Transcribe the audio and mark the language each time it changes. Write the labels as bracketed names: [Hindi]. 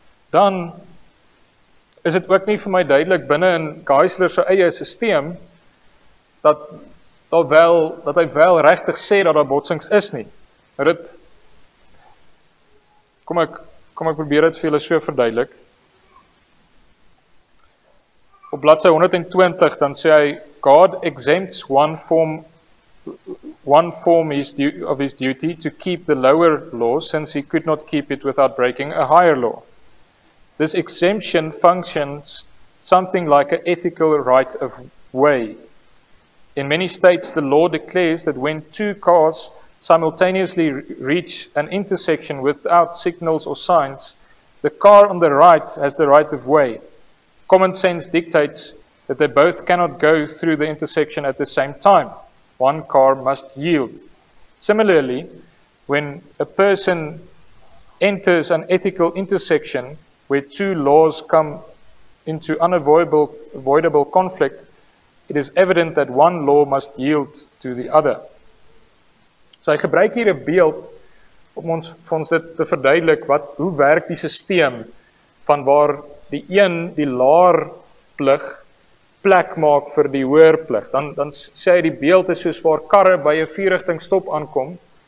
[Afrikaans] Dan is dit ook nie vir my duidelik binne in Geisler se eie systeem dat hy wel regtig sê dat daar botsings is nie. Kom ek probeer dit vir julle so verduidelik. Op bladsy 120 dan sê hy [English] God exempts one form of his duty to keep the lower law since he could not keep it without breaking a higher law. This exemption functions something like an ethical right of way. In many states, the law declares that when two cars simultaneously reach an intersection without signals or signs, the car on the right has the right of way. Common sense dictates that they both cannot go through the intersection at the same time. One car must yield. Similarly, when a person enters an ethical intersection where two laws come into unavoidable conflict, it is evident that one law must yield to the other. [Afrikaans] So hy gebruik hier 'n beeld om ons vir ons dit te verduidelik hoe werk die systeem van waar die een, die laer plig, plek maak vir die hoër plig. Dan sê hy die beeld is soos waar karre by 'n vierrigting stop aankom,